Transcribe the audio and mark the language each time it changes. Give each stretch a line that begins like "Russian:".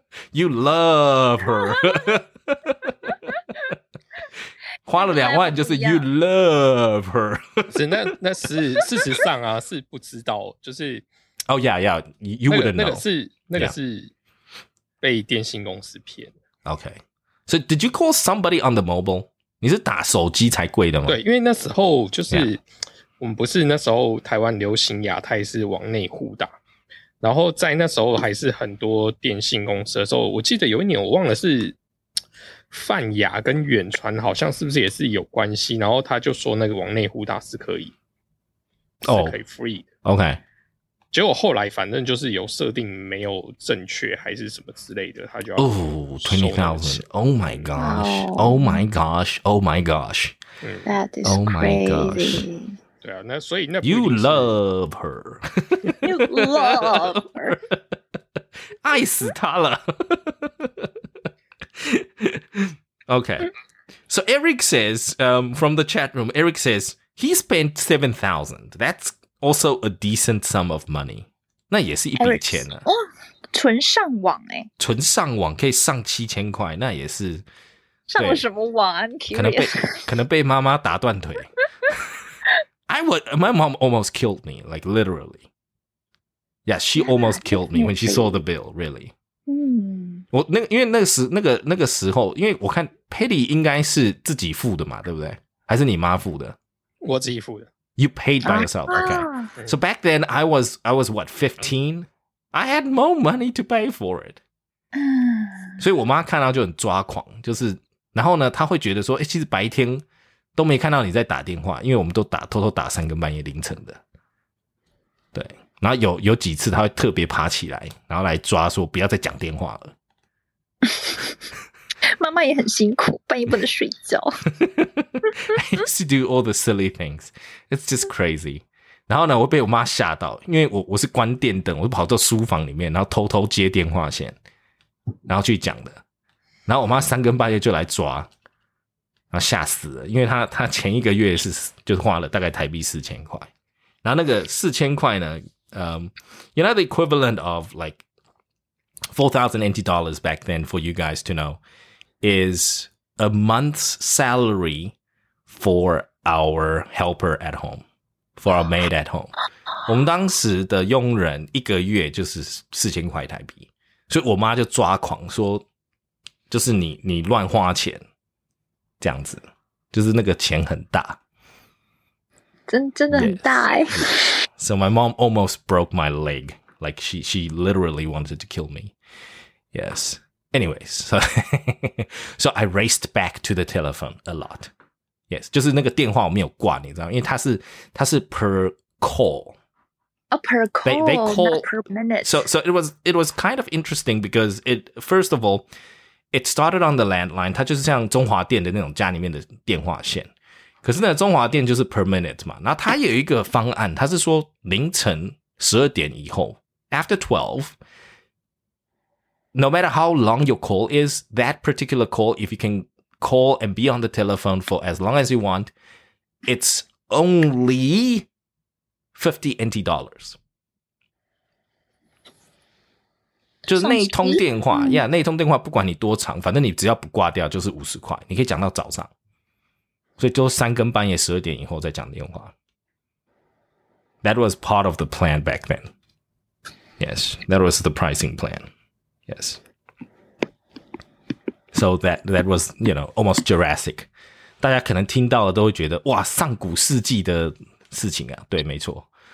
English: You love her.
Chinese: 花了两万就是
English: you love her.
Chinese: 是那是事实上啊是不知道就是。
English: Oh, yeah, yeah, you wouldn't know.
Chinese: 那个是被电信公司骗。
English: Okay. So did you call somebody on the mobile?
Chinese: 你是打手机才贵的吗？对，因为那时候就是我们不是那时候台湾流行亚太是往内户打。然后在那时候还是很多电信公司的时候，我记得有一年我忘了是泛亚跟远传好像是不是也是有关系，然后他就说那个往内户打是可以、 oh, 是可以 free 的
English: OK，
Chinese: 结果后来反正就是有设定没有正确还是什么之类的，他就要收那钱。
English: 20,000 Oh my gosh Oh my gosh Oh my gosh That is crazy Oh my gosh
Chinese: 对啊，那所以那
English: You love her You love her
Chinese: 爱死他了Okay.
English: So Eric says, from the chat room, Eric says, he spent 7,000. That's also a decent sum of money.
Chinese: 那也是一笔钱啊。哦，纯上网欸。纯上网可以上7000块，那也是。上了什么网啊？可能被妈妈打断腿。
English: My mom almost killed me, like literally. Yeah, she almost killed me when she saw the bill, really.
Chinese: 我那因为那个时候，因为我看 Patty 应该是自己付的嘛，对不对？还是你妈付的？我自己付的。
English: You paid by yourself, okay? So back then, I was what 15? I had more money to pay for it.
Chinese: 所以我妈看到就很抓狂，就是然后呢，她会觉得说，哎，其实白天都没看到你在打电话，因为我们都打偷偷打3更半夜凌晨的，对。然后有几次她会特别爬起来，然后来抓说不要再讲电话了。妈妈也很辛苦，半夜不能睡觉。
English: I used to do all the silly things. It's just crazy.
Chinese: 然后呢我被我妈吓到，因为 我是关电灯，我跑到书房里面然后偷偷接电话线然后去讲的，然后我妈三更半夜就来抓，然后吓死了，因为 她前一个月是就花了大概台币4000块，然后那个4000块呢
English: you know the equivalent of like $4,000 back then for you guys to know is a month's salary for our helper at home, for our maid at home.
Chinese: 我们当时的佣人一个月就是4000块台币，所以我妈就抓狂说就是你乱花钱这样子，就是那个钱很大，真的很大耶。
English: So my mom almost broke my leg, like she literally wanted to kill me. Yes. Anyways, so I raced back to the telephone a lot.
Chinese: Yes, 就是那个电话我没有挂，你知道，因为它是 per call.
English: Oh, per call. They call, not per minute. So it was kind of interesting because it, first of all, it started on the landline.
Chinese: 它就是像中华电的那种家里面的电话线。可是呢，中华电就是 per minute 嘛，然后它有一个方案，它是说凌晨12点以后
English: ，after 12, no matter how long your call is, that particular call, if you can call and be on the telephone for as long as you want, it's only $50.
Chinese: 就是那一通电话呀， yeah, 那一通电话不管你多长，反正你只要不挂掉就是50块，你可以讲到早上。所以就三更半夜12点以后再讲电话。
English: That was part of the plan back then. Yes, that was the pricing plan. Yes. So that was, you know, almost Jurassic.
Chinese: 大家可能听到了都会觉得哇，上古世纪的事情啊，对，没错。